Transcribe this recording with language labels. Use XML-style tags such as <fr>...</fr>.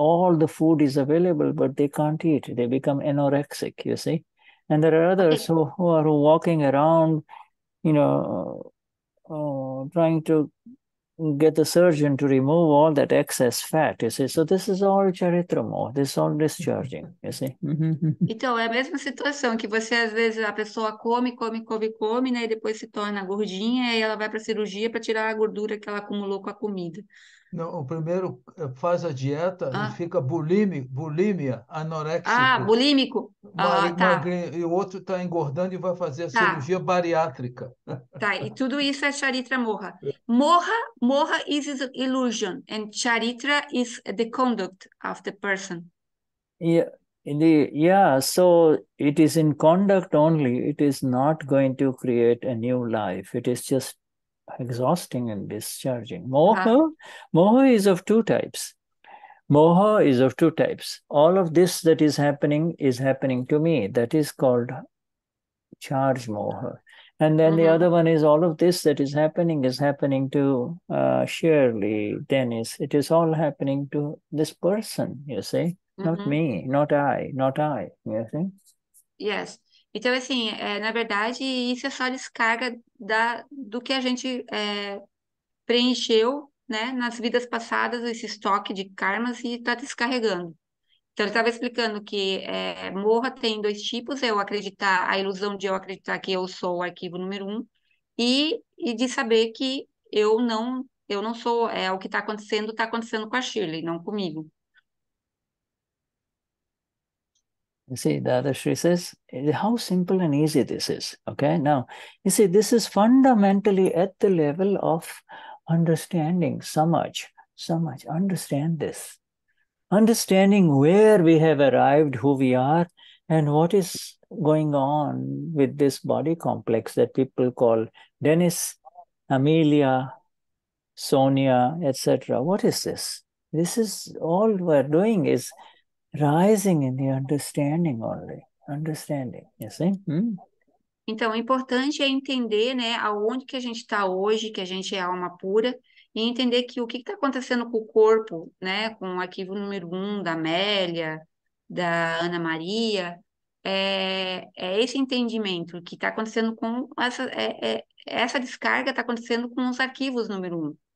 <en>All the food is available, but they can't eat. They become anorexic, you see. And there are others who are walking around, you know, trying to get the surgeon to remove all that excess fat, you see. So this is all charitramoha. This is all discharging, you see.</en> <pt>Então, é a mesma situação que você, às vezes, a pessoa come, né, e depois se torna gordinha e ela vai para a cirurgia para tirar a gordura que ela acumulou com a comida. Não, o primeiro faz a dieta e fica bulimia, anorexia. Ah, bulímico. E o outro está engordando e vai fazer a cirurgia bariátrica. Tá, e tudo isso é charitra moha.</pt> <en>Moha is illusion, and charitra is the conduct of the person. So it is in conduct only. It is not going to create a new life. It is just exhausting and discharging. Moha is of two types. Moha is of two types. All of this that is happening to me. That is called charge moha. And then the other one is all of this that is happening to Shirley, Dennis. It is all happening to this person, you see. Not me, not I, you see? Yes.</en> <pt>Então, assim, na verdade, isso é só descarga do que a gente preencheu, né, nas vidas passadas, esse estoque de karmas, e está descarregando. Então, ele estava explicando que morra tem dois tipos, eu acreditar, a ilusão de eu acreditar que eu sou o arquivo número um, e de saber que eu não sou, o que está acontecendo com a Shirley, não comigo.</pt> <en>You see, Dadashri says, how simple and easy this is. Okay, now, you see, this is fundamentally at the level of understanding so much. Understand this. Understanding where we have arrived, who we are, and what is going on with this body complex that people call Dennis, Amelia, Sonia, etc. What is this? This is all we're doing is rising in the understanding only. Understanding, you see?</en> <pt>Então, o importante é entender, né, aonde que a gente está hoje, que a gente é alma pura, e entender que o que está acontecendo com o corpo, né, com o arquivo número um da Amélia, da Ana Maria, é esse entendimento que está acontecendo com essa descarga está acontecendo com os arquivos número um.</pt>